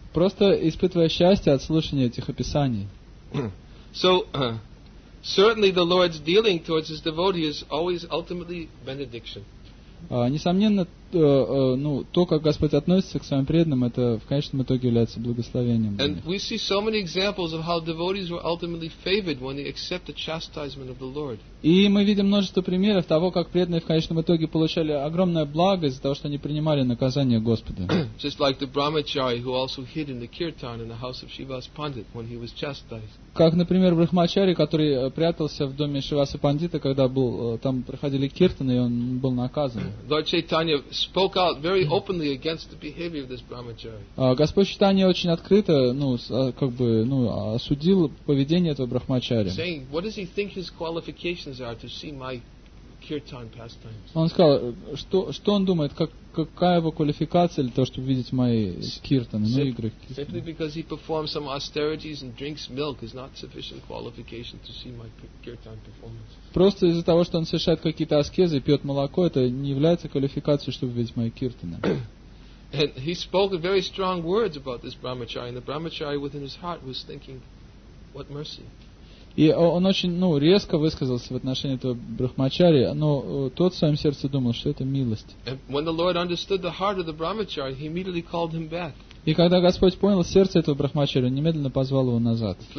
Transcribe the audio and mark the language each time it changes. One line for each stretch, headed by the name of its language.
Russian: Просто испытывая счастье от слушания этих описаний.
English: So, certainly the Lord's dealing towards his devotee is always ultimately benediction.
Russian: Несомненно, ну, то, как Господь относится к своим преданным, это в конечном итоге является благословением.
English: And we see so many examples of how devotees were ultimately favored when they accept the chastisement of the Lord.
Russian: И мы видим множество примеров того, как преданные в конечном итоге получали огромное благо из-за того, что они принимали наказание Господа.
English: Just like the brahmachari who also hid in the kirtan in the house of Shivas Pandit when he was chastised.
Russian: Как, например, брахмачари, который прятался в доме Шиваса Пандита, когда был, там проходили киртаны, и он был наказан.
English: Lord Chaitanya spoke out very openly against the behavior of this brahmachari.
Russian: Господь Чайтанья очень открыто, ну, как бы, ну, осудил поведение этого брахмачари.
English: Saying, what does he think his qualifications are to see my kirtan pastimes?
Russian: Он сказал, что он думает, как, какая его квалификация для того, чтобы видеть мои киртаны, мои игры.
English: Simply because he performs some austerities and drinks milk is not sufficient qualification to see my kirtan performance.
Russian: Просто из-за того, что он совершает какие-то аскезы и пьет молоко, это не является квалификацией, чтобы видеть мои киртаны.
English: And he spoke very strong words about this brahmachari, and the brahmachari within his heart was thinking, what mercy.
Russian: И он очень, ну, резко высказался в отношении этого брахмачари, но тот в своем сердце думал, что это милость. И когда Господь понял сердце этого брахмачари, он немедленно позвал его назад.